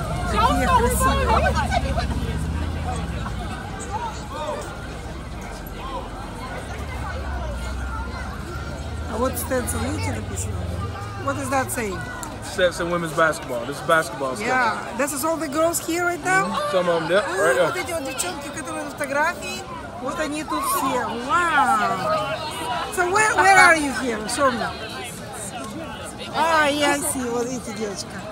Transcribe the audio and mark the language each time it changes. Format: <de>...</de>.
<ru>Какие красивые. А вот Стэтсон, видите, написано?</ru> <en>What does that say? Стэтсон women's basketball. This is basketball stuff. Yeah, this is all the girls here right now? Mm-hmm. Some of them, yeah, right there.</en> <ru>Вот эти вот девчонки, которые на фотографии. Вот они тут все.</ru> <en>Wow! So where are you here? Show me.</en> <ru>А, я си, вот видите, девочка.</ru>